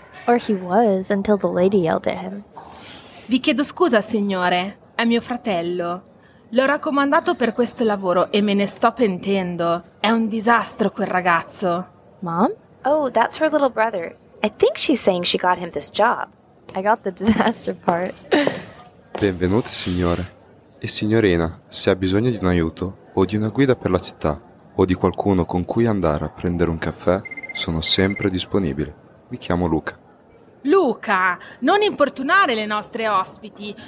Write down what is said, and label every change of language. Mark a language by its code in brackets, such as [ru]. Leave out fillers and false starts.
[en] Or he was, until the lady yelled at him. [it] Vi chiedo scusa, signore. È mio fratello. L'ho raccomandato per questo lavoro e me ne sto pentendo. È un disastro quel ragazzo. [en] Mom? Oh, that's her little brother. I think she's saying she got him this job. I got the disaster part. [it] Benvenuti, signore. E signorina, se ha bisogno di un aiuto o di una guida per la città, o di qualcuno con cui andare a prendere un caffè, sono sempre disponibile. Mi chiamo Luca. Luca, non importunare le nostre ospiti.